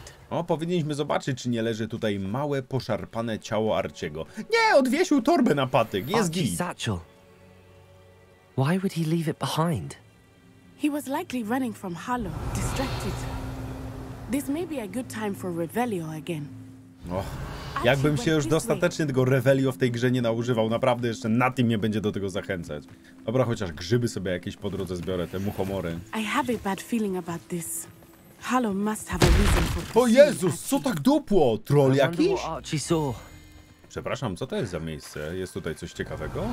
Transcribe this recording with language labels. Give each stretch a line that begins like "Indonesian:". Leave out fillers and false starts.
Polish: O, powinniśmy zobaczyć, czy nie leży tutaj małe, poszarpane ciało Arciego. Nie, odwiesił torbę na patyk, jest git.
English: Why would he leave it behind? He was likely running from Harlow, distracted. This may be a good time for Revelio again.
Polish: Och, jakbym się już dostatecznie tego Revelio w tej grze nie naużywał, naprawdę jeszcze na tym nie będzie do tego zachęcać. Dobra, chociaż grzyby sobie jakieś po drodze zbiorę, te muchomory.
English: I have a bad feeling about this. Harlow must have a reason for this.
Polish: O Jezus, co tak dupło? Troll jakiś? Przepraszam, co to jest za miejsce? Jest tutaj coś ciekawego?